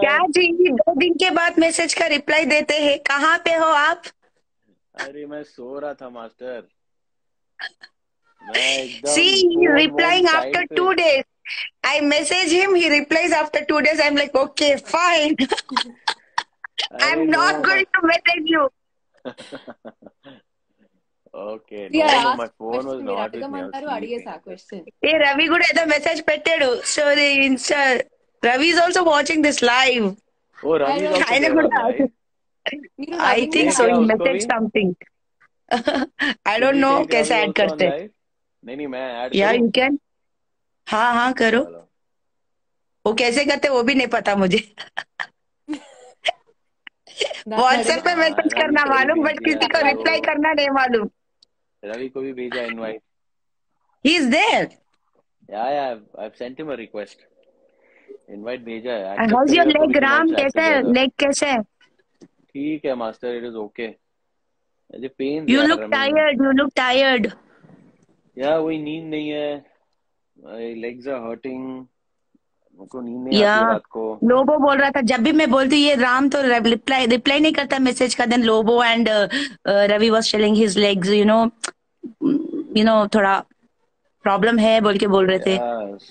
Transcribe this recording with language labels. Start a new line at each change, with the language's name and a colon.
Hindi: क्या जी, 2 दिन के बाद मैसेज का रिप्लाई देते हैं, कहाँ पे हो आप? अरे मैं सो रहा था master.
English: See, he's replying after 2 days. I message him, he replies after 2 days. I'm like, okay, fine. I'm not going to message you. Okay, no, yeah, no, my phone was not with me. Hey, Ravi Gudu, the message petted. So the Insta, Ravi is also watching this live. Oh, Ravi is also there. I think so. He messaged something. I don't know.
Hindi: कैसे add करते? नहीं नहीं मैं add.
English: Yeah, you can.
Hindi: हाँ हाँ करो. वो कैसे करते वो भी नहीं पता मुझे. WhatsApp पे message करना मालूम, but किसी को reply करना नहीं मालूम. रवि को भी भेजा invite.
English: He is there. Yeah, yeah. I've sent him a request.
Hindi: Invite भेजा है.
English: How's your leg, Ram?
Hindi: कैसे leg कैसे? ठीक है मास्टर,
English: it is okay.
Hindi: मुझे pain.
English: You look tired. You look tired.
Hindi: Yeah, वही नींद नहीं है.
English: My legs are hurting.
Hindi: मुझको नींद नहीं आती रात को. लोबो बोल रहा था, जब भी मैं बोलती ये राम तो reply नहीं करता message का, then Lobo and Ravi
English: was telling his legs, you know
Hindi: थोड़ा problem है बोल के बोल रहे थे.